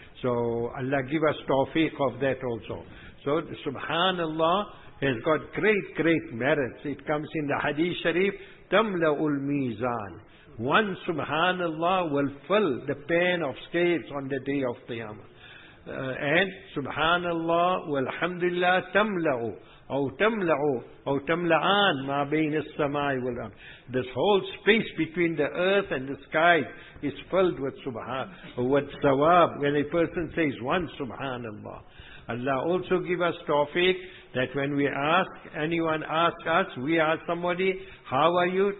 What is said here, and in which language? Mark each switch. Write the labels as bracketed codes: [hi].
[en] So Allah give us tawfiq of that also. So subhanallah has got great, great merits. It comes in the hadith sharif, [ar] تَمْلَأُ الْمِيزَانِ. [en] One subhanallah will fill the pan of scales on the day of Qiyamah. And subhanallah, walhamdulillah, [ar] تَمْلَأُ. أو تملعان ما بين السماء والأرض. [en] This whole space between the earth and the sky is filled with subhan, with sawab. When a person says one subhanallah, Allah also give us tawfiq that when we ask, anyone ask us, we ask somebody, how are you?